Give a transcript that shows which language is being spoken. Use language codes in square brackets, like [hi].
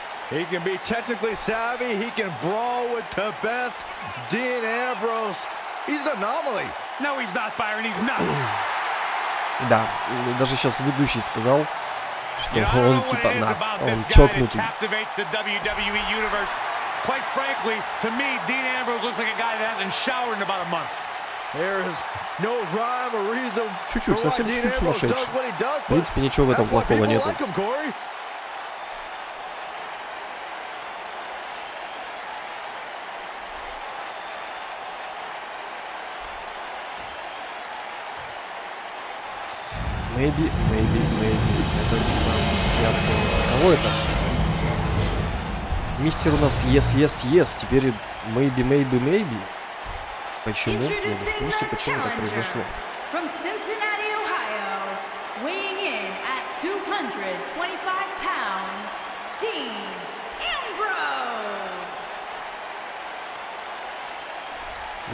[en] He can be technically savvy, he can brawl with the best, Dean Ambrose. He's an anomaly. No, he's not, Byron, he's nuts. [ru] Да, даже сейчас ведущий сказал, что он типа nuts, он чокнутый. [en] Captivates the WWE universe. Quite frankly, to me, Dean Ambrose looks like a guy that hasn't showered in about a month. There is no rhyme or reason. [ru] Чуть-чуть, совсем чуть-чуть сумасшедший. В принципе, ничего в этом плохого нету. Maybe. Это я понял. Кого это? Мистер у нас yes. Теперь maybe. Почему? Я не в курсе, почему так произошло. [en] From Cincinnati, Ohio, weighing in at 225 pounds, Dean Ambrose.